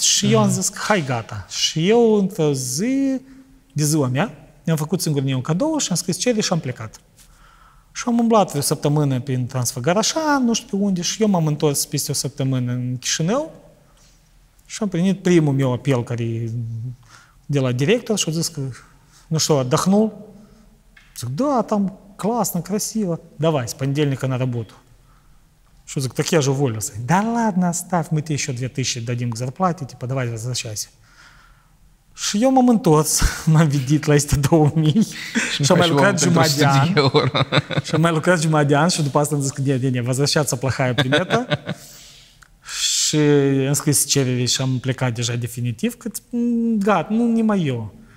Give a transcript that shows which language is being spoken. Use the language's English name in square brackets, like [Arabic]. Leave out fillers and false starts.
[Romanian] Și eu am zis, hai, gata. Și eu, într-o zi, de ziua mea, mi-am făcut singur mie un cadou și am scris cere și am plecat. Și am umblat o săptămână prin Transfăgărașan, nu știu unde, și eu m-am întors peste o săptămână în Chișinău și am primit primul meu apel care de la director și a zis că [Russian] ну что, отдохнул? Зак, да, там классно, красиво. Давай, с понедельника на работу. Что, зак, так я же уволился. Да ладно, оставь, мы тебе еще 2000 дадим к зарплате, типа, давай, возвращайся. [Romanian] Și eu m-am întors, m-am vidit la este 2000 și am mai lucrat jumătate de an. Și am mai lucrat jumătate de an și după asta am zis că ne, [Russian] возвращаться плохая примета. [Romanian] Și am scris cerere și am plecat deja definitiv, că gata, nu, nu mai eu.